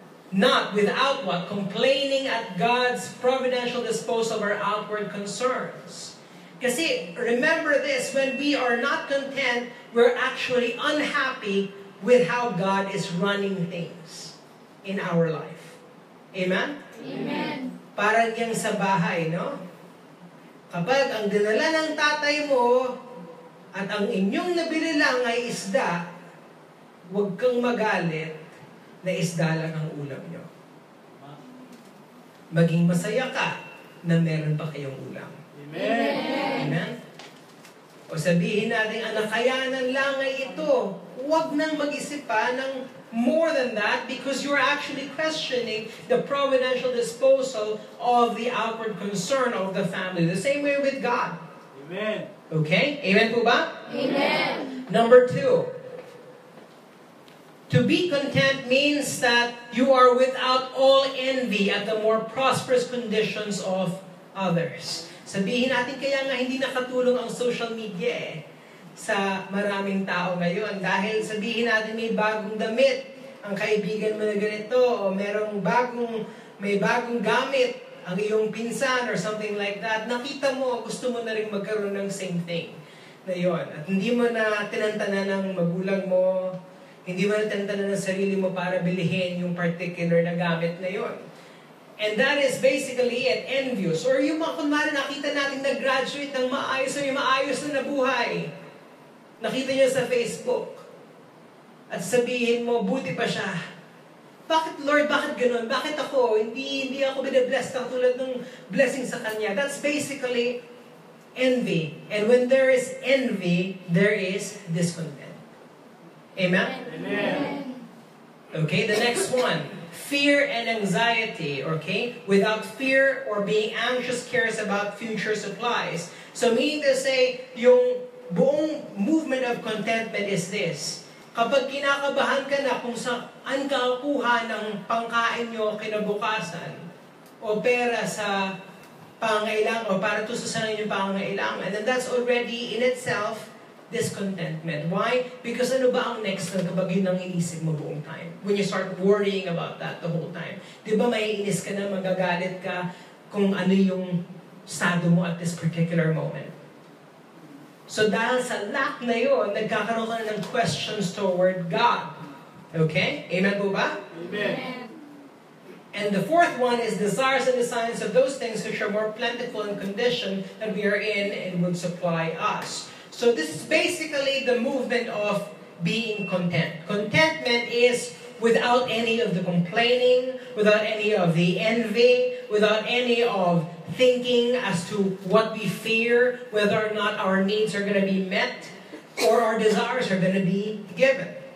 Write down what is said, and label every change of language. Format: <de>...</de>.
<en>Not without what? Complaining at God's providential disposal of our outward concerns. Kasi, remember this, when we are not content, we're actually unhappy with how God is running things in our life. Amen? Amen.</en> <tl>Parang yung sa bahay, no? Kapag ang dinala ng tatay mo at ang inyong nabili lang ay isda, huwag kang magalit na isda lang ang ulam nyo. Maging masaya ka na meron pa kayong ulam.</tl> <en>Amen. Amen. Amen.</en> <tl>O sabihin natin, ang nakayanan lang ay ito. Huwag nang mag-isip pa ng</tl> <en>more than that because you're actually questioning the providential disposal of the outward concern of the family. The same way with God. Amen.</en> <tl>Okay? Amen po ba?</tl> <en>Amen. Number two. To be content means that you are without all envy at the more prosperous conditions of others.</en> <tl>Sabihin natin kaya nga hindi nakatulong ang social media sa maraming tao ngayon. Dahil sabihin natin may bagong damit ang kaibigan mo na ganito, o merong bagong, may bagong gamit ang iyong pinsan</tl> <en>or something like that.</en> <tl>Nakita mo, gusto mo na rin magkaroon ng same thing na yon. At hindi mo na tinantanan ng magulang mo, hindi mo na tinantanan ng sarili mo para bilihin yung particular na gamit na yon.</tl> <en>And that is basically it, envious.</en> <tl>Or yung mga kunwari, nakita natin nag-graduate ng maayos o yung maayos na nabuhay. Nakita niya sa Facebook. At sabihin mo, buti pa siya. Bakit, Lord, bakit ganun? Bakit ako? Hindi ako binibless ng tulad ng blessing sa kanya.</tl> <en>That's basically envy. And when there is envy, there is discontent. Amen? Amen. Okay, the next one. Fear and anxiety, okay? Without fear or being anxious cares about future supplies. So meaning to say,</en> <tl>yung buong</tl> <en>movement of contentment is this.</en> <tl>Kapag kinakabahan ka na kung saan ka kukuha ng pangkain nyo kinabukasan o pera sa pangailangan o para tususunan yung pangailangan,</tl> <en>and that's already in itself discontentment. Why?</en> <tl>Because ano ba ang next lang kapag yun ang inisip mo buong time?</tl> <en>When you start worrying about that the whole time.</en> <tl>Di ba may inis ka na, magagalit ka kung ano yung estado mo</tl> <en>at this particular moment?</en> <tl>So dahil sa lack na yun, nagkakaroon ka na ng</tl> <en>questions toward God.</en> <tl>Okay? Amen po ba?</tl> <en>Amen. And the fourth one is desires and designs of those things which are more plentiful in condition that we are in and would supply us. So this is basically the movement of being content. Contentment is without any of the complaining, without any of the envy, without any of thinking as to what we fear, whether or not our needs are going to be met, or our desires are going to be given.</en>